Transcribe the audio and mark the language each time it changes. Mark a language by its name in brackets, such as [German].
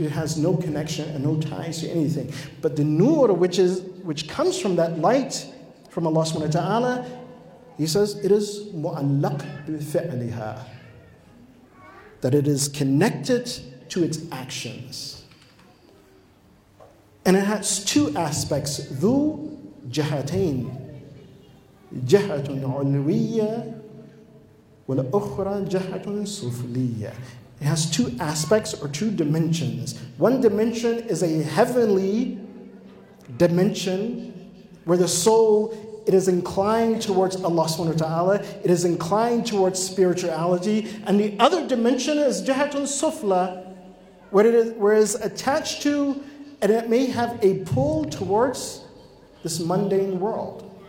[English] It has no connection and no ties to anything. But the nur which comes from that light from Allah subhanahu wa ta'ala, he says it is mu'allaq bi-fi'liha, that it is connected to its actions. And it has two aspects, [Arabic] ذو جهتين. جهة علوية والأخرى جهة سفلية. [English] It has two aspects or two dimensions. One dimension is a heavenly dimension where the soul, it is inclined towards Allah subhanahu wa ta'ala, it is inclined towards spirituality. And the other dimension is [Arabic] جهة سفلة, [English] where it is attached to, and it may have a pull towards this mundane world.